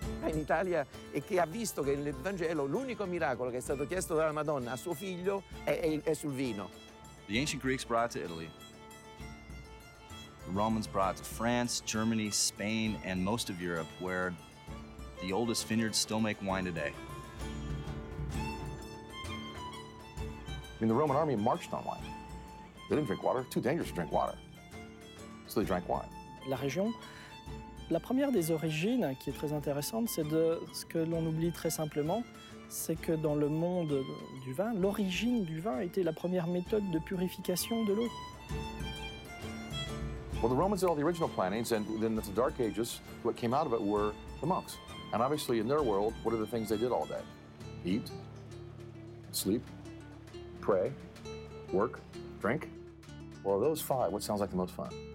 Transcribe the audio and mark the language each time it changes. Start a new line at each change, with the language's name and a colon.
Italian: In Italia e che ha visto che nel Vangelo l'unico miracolo che è stato chiesto dalla Madonna a suo figlio è sul vino.
English: The ancient Greeks brought it to Italy. The Romans brought it to France, Germany, Spain, and most of Europe, where the oldest vineyards still make wine today. I mean, the Roman army marched on wine. They didn't drink water. Too dangerous to drink water. So they drank wine.
French: La région. La première des origines, qui est très intéressante, c'est de ce que l'on oublie très simplement, c'est que dans le monde du vin, l'origine du vin était la première méthode de purification de l'eau.
English: Well, the Romans did all the original plantings, and then the Dark Ages, what came out of it were the monks. And obviously, in their world, what are the things they did all day? Eat, sleep, pray, work, drink. Well, of those five, what sounds like the most fun?